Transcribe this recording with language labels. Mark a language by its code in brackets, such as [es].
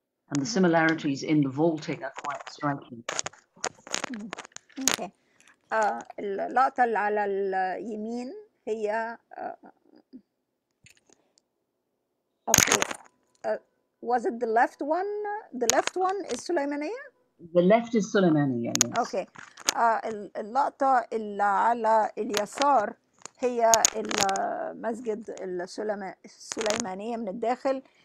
[en] And the similarities in the vaulting are quite striking. Okay. [ar] اللقطة اللي على اليمين هي Okay. [en] Was it the left one? The left one is Suleymaniye? The left is Suleymaniye, yes. Okay. [ar] اللقطة اللي على اليسار هي المسجد السليمانية من الداخل.